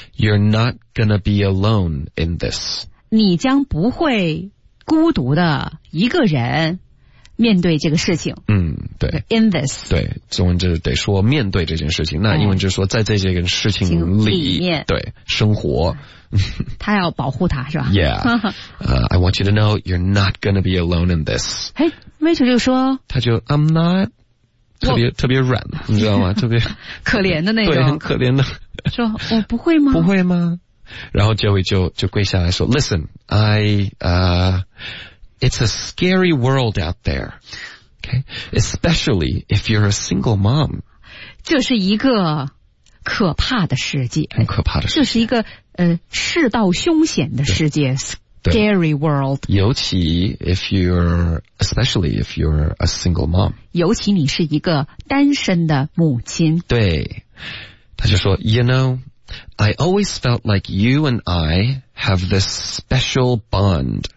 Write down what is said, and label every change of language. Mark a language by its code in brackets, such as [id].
[en] ，You're not gonna be alone in this， [zh] 你将不会孤独的一个人面对这个事情。嗯，对 [en] ，In this， [zh] 对，中文就是得说面对这件事情，那英文就是说在这些个事情里面，对，生活。他要保护他是吧 [en] ？Yeah， I want you to know you're not gonna be alone in this。 [zh] 哎 ，Rachel 就说，他就 [en] I'm not [zh] 特别软，你知道吗？特别可怜的那种，对，很可怜的。说我不会吗？不会吗？然后结尾就跪下来说 [en] ，Listen， It's a scary world out there, okay? Especially if you're a single mom. [zh] 这是一个可怕的世界。很可怕的世界。这是一个世道凶险的世界。 [en] Scary world. [zh] 尤其 [en] especially if you're a single mom. [zh] 尤其你是一个单身的母亲。对。他就说 [en] ,you know, I always felt like you and I have this special bond.